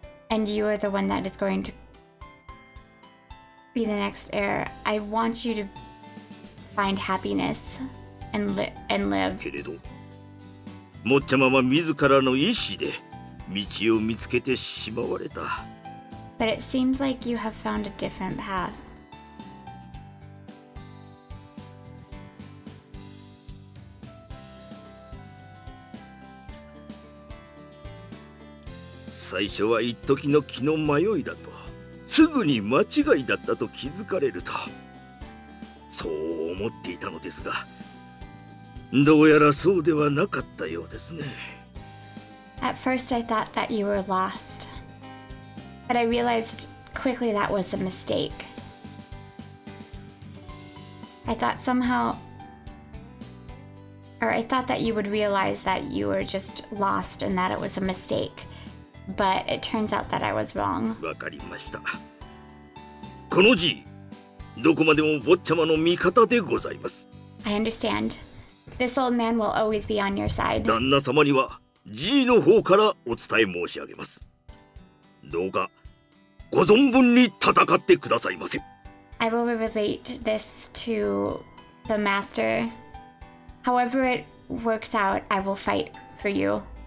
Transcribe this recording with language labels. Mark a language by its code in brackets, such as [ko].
[en] And you are the one that is going to be the next heir. I want you to find happiness and live. [ja] けれど、もっちゃまは自らの意志で道を見つけてしまわれた。 [en] But it seems like you have found a different path. [ja] 最初は一時の気の迷いだと、すぐに間違いだったと気づかれると、そう思っていたのですが、どうやらそうではなかったようですね。 [en] At first I thought that you were lost, but I realized quickly that was a mistake. I thought that you would realize that you were just lost and that it was a mistake. But it turns out that I was wrong. [ja] わかりました。この G、どこまでも坊ちゃまの味方でございます。 [en] I understand. This old man will always be on your side. [ja] 旦那様には G の方からお伝え申し上げます。どうかご存分に戦ってくださいませ。 [en] I will relate this to the master. However it works out, I will fight for you.